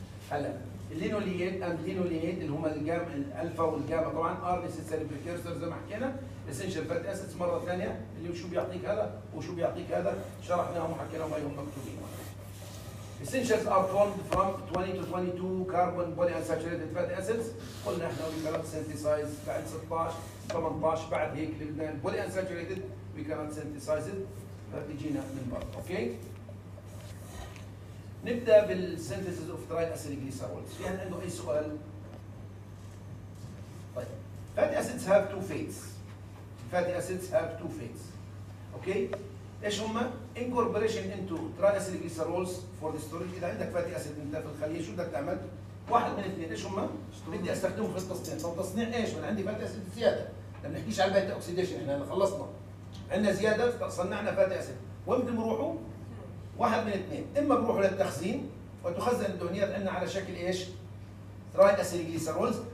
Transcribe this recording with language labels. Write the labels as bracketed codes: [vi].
[ar] هلا اللينولينيت اند لينولينيت اللي هم الجام الالفا والجاما طبعا ار نيسيسري بريكيرسر زي ما حكينا اسينشال فاتي اسيد مره ثانيه اللي شو بيعطيك هذا وشو بيعطيك هذا شرحناهم وحكينا بهم مكتوبين [en] Essentials are formed from 20 to 22 carbon polyunsaturated fatty acids. قلنا احنا we cannot synthesize [ar] بعد 16 18 بعد هيك اللي بدنا [en] polyunsaturated we cannot synthesize it. [ar] فبيجينا من برا. اوكي؟ نبدا بال [en] synthesis of triacylglycerols. [ar] في عندنا اي سؤال؟ طيب. [en] Fatty acids have two fates. Fatty acids have two fates. [ar] اوكي؟ ايش هما؟ [en] incorporation into triacylglycerols for the storage [ar] اذا عندك فاتي اسيد انت في الخليه شو بدك تعمل؟ واحد من اثنين ايش هما؟ بدي استخدمه في التصنيع، طب تصنيع ايش؟ انا عندي فاتي اسيد زياده، ما بنحكيش على الفاتي اوكسيديشن احنا خلصنا. عندنا زياده صنعنا فاتي اسيد، وين بدهم يروحوا؟ واحد من اثنين، اما بروحوا للتخزين وتخزن الدهنيات عندنا على شكل ايش؟ triacylglycerols